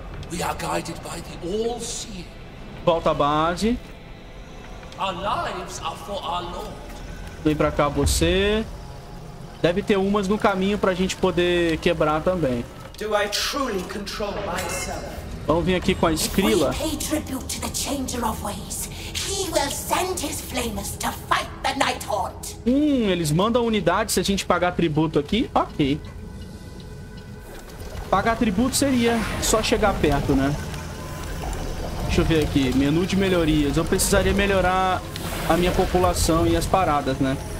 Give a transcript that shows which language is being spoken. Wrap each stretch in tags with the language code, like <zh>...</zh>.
<en>We are guided by the All-Seer.</en> <pt>Volta a base.</pt> <en>Our lives are for our Lord.</en> <pt>Vem pra cá você. Deve ter umas no caminho pra gente poder quebrar também.</pt> <en>Do I truly control myself?</en> <pt>Vamos vir aqui com a Skrilla.</pt> <en>If we pay tribute to the changer of ways, he will send his flamers to fight the Night Haunt.</en> <pt>Eles mandam unidade se a gente pagar tributo aqui? Ok. Pagar tributo seria só chegar perto, né? Deixa eu ver aqui. Menu de melhorias. Eu precisaria melhorar a minha população e as paradas, né?</pt>